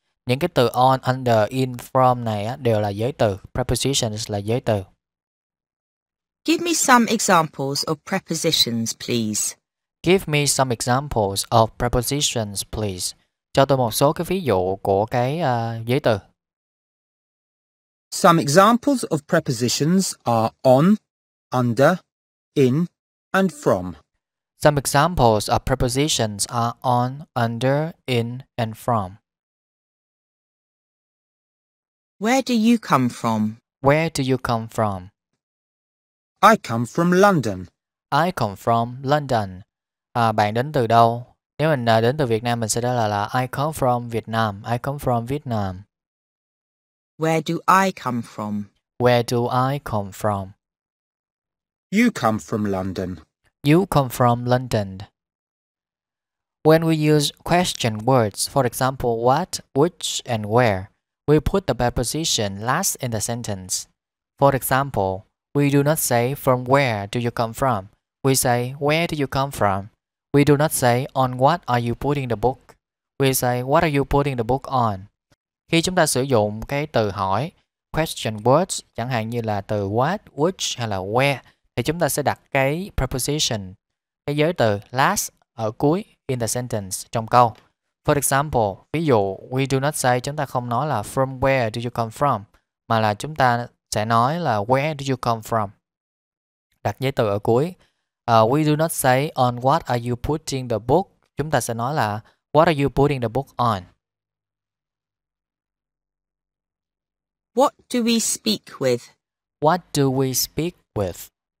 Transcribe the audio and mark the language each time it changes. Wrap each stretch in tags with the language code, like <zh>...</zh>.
<vi>Những cái từ on, under, in, from này đều là giới từ. Prepositions là giới từ.</vi> <en>Give me some examples of prepositions, please. Give me some examples of prepositions, please.</en> <vi>Cho tôi một số cái ví dụ của cái giới từ.</vi> <en>Some examples of prepositions are on, under, in, and from. Some examples of prepositions are on, under, in, and from. Where do you come from? Where do you come from? I come from London. I come from London.</en> <vi>À, bạn đến từ đâu? Nếu mình đến từ Việt Nam, mình sẽ là</vi> <en>I come from Vietnam. I come from Vietnam. Where do I come from? Where do I come from? You come from London. You come from London. When we use question words, for example, what, which, and where, we put the preposition last in the sentence. For example, we do not say, from where do you come from? We say, where do you come from? We do not say, on what are you putting the book? We say, what are you putting the book on?</en> <vi>Khi chúng ta sử dụng cái từ hỏi, question words, chẳng hạn như là từ what, which hay là where, thì chúng ta sẽ đặt cái preposition, cái giới từ last ở cuối</vi> <en>in the sentence,</en> <vi>trong câu.</vi> <en>For example,</en> <vi>ví dụ,</vi> <en>we do not say,</en> <vi>chúng ta không nói là</vi> <en>from where do you come from,</en> <vi>mà là chúng ta sẽ nói là</vi> <en>where do you come from?</en> <vi>Đặt giới từ ở cuối.</vi> <en>We do not say on what are you putting the book.</en> <vi>Chúng ta sẽ nói là</vi> <en>what are you putting the book on? What do we speak with? What do we speak with?</en>